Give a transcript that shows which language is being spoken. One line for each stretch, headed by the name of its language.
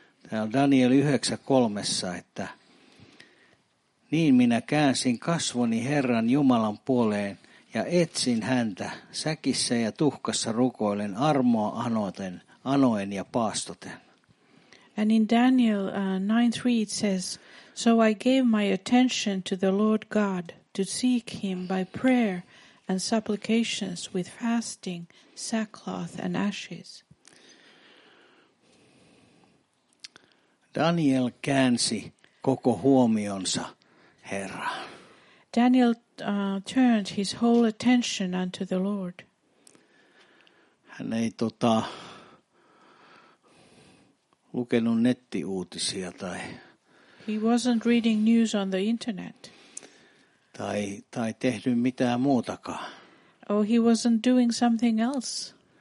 Finnish: Täällä Daniel 9:3, että niin minä käänsin kasvoni Herran Jumalan puoleen ja etsin häntä säkissä ja tuhkassa rukoilen armoa anoen ja paastoten.
English: And in Daniel 9:3 it says, so I gave my attention to the Lord God to seek him by prayer and supplications with fasting, sackcloth and ashes.
Finnish: Daniel käänsi koko huomionsa Herraan.
English: Daniel turned his whole attention unto the Lord.
Finnish: Hän ei lukenut nettiuutisia tai
English: he wasn't reading news on the internet.
Finnish: Tai tehnyt mitään muutakaan.
English: Oh, he wasn't doing something else.